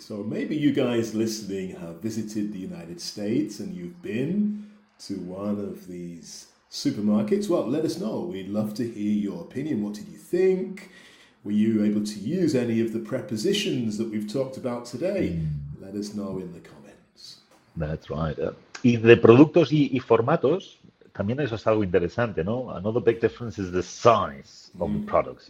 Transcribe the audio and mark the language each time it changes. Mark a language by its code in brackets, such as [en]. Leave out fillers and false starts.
[en] So maybe you guys listening have visited the United States and you've been to one of these supermarkets. Well, let us know. We'd love to hear your opinion. What did you think? Were you able to use any of the prepositions that we've talked about today? Let us know in the comments. That's right. [es] Y de productos y formatos, también eso es algo interesante, ¿no? [en] Another big difference is the size of the products.